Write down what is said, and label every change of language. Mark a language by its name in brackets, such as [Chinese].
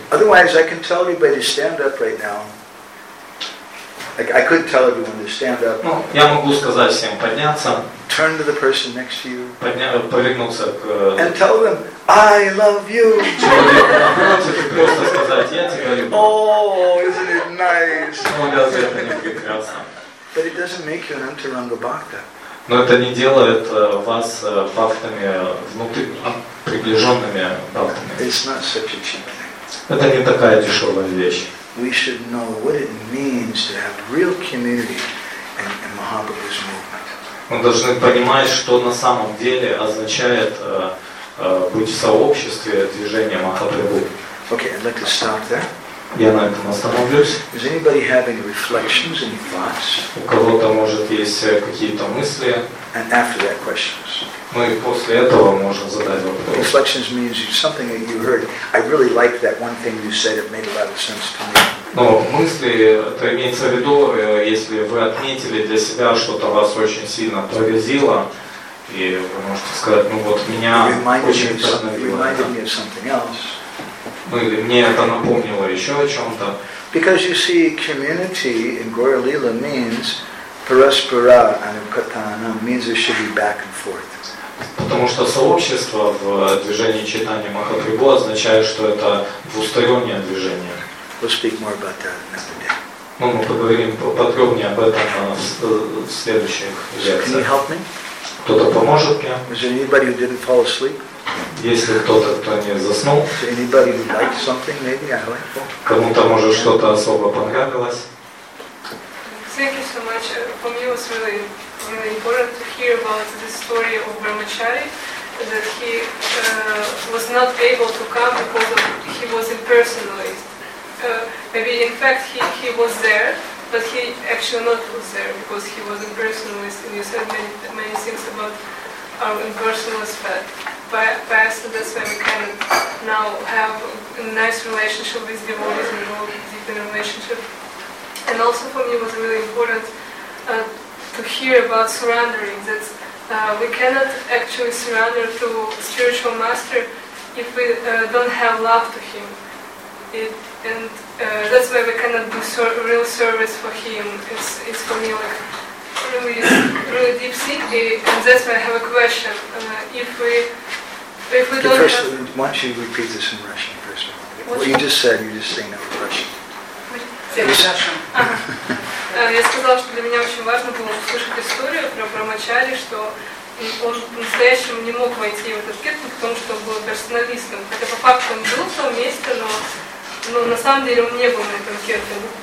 [English] Otherwise, I can tell everybody to stand up right now. I could tell everyone to stand up. [Russian] Ну, я могу сказать всем подняться. [English] Turn to the person next to you. [Russian] Повернуться к. [English] And tell them, I love you. [Russian] Человеку напротив, просто сказать, я тебя люблю. [English] Oh, isn't it nice? [Russian] Ну, да, это не прекрасно. [English] But it doesn't make you an antaranga bhakta. [Russian] Но это не делает вас бхактами внутри, приближенными бхактами. [English] It's not such a cheap thing. [Russian] Это не такая дешевая вещь. [English] We should know what it means to have real community in the Mahabharata's movement. [Russian] Мы должны понимать, что на самом деле означает быть в сообществе движения Махапрабху. [English] Okay, I'd like to stop there. [Russian] Я на этом остановлюсь. [English] Does anybody have any reflections, any thoughts? [Russian] У кого-то, может, есть какие-то мысли? [English] And after that, questions. [Russian] Ну и после этого можно задать вопрос. [English] Reflections means something that you heard. I really like that one thing you said. It made a lot of sense to me. [Russian] Но мысли, это имеется в виду, если вы отметили для себя что-то, вас очень сильно поразило, и вы можете сказать, ну вот меня очень поразило. Ну или мне это напомнило еще о чем-то. [English] Because you see, community in Gaura Lila means [Sanskrit] paraspara anukatanam, [English] means there should be back and forth. [Russian] Потому что сообщество в движении читания Махапрабху означает, что это двустороннее движение. [English] We'll speak more about that another day. [Russian] Ну, мы поговорим подробнее об этом в следующих лекциях. [English] Can you help me? [Russian] Кто-то поможет мне? [English] Is there anybody who didn't fall asleep? [Russian] Если кто-то, кто не заснул, [English] anybody who liked something, maybe I like for. [Russian] Кому-то, может, что-то особо понравилось. [English] Thank you so much. For me, it was really, really important to hear about the story of Brahmachari, that he was not able to come because he was impersonalized. Maybe, in fact, he was there, but he actually not was there because he was impersonalized. And you said many things about our impersonalist path. Past, that's why we can now have a nice relationship with devotees and a deeper relationship. And also for me it was really important to hear about surrendering, that we cannot actually surrender to spiritual master if we don't have love to him. That's why we cannot do real service for him. It's for me like really, really deep thinking, and that's why I have a question. Why don't you repeat this in Russian first of all? What you just said, you're just saying that in Russian. [Russian] Я сказала, что для меня очень важно было услышать историю про Брахмачари, что он по-настоящему не мог войти в этот кетху, потому что он был персоналистом. Хотя по факту он был в том месте, но на самом деле он не был на этом кетху.